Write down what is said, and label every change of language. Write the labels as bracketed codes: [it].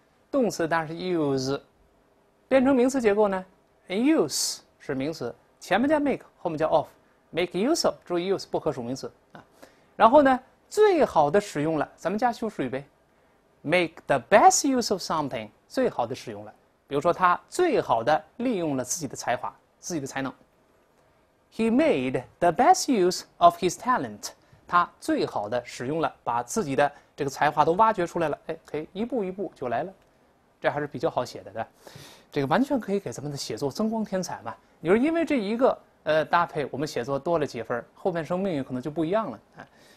[zh] 动词当然是 use， 变成名词结构呢 ，use 是名词，前面加 make， 后面加 of， [en] make use of， [zh] 注意 use 不可数名词啊。然后呢，最好的使用了，咱们加修饰语呗 ， [en] make the best use of something， [zh] 最好的使用了。比如说，他最好的利用了自己的才华，自己的才能。 [en] He made the best use of his talent。 [zh] 他最好的使用了，把自己的这个才华都挖掘出来了，哎，可以一步一步就来了，这还是比较好写的，对吧？这个完全可以给咱们的写作增光添彩嘛。你说因为这一个搭配，我们写作多了几分，后半生命运可能就不一样了啊。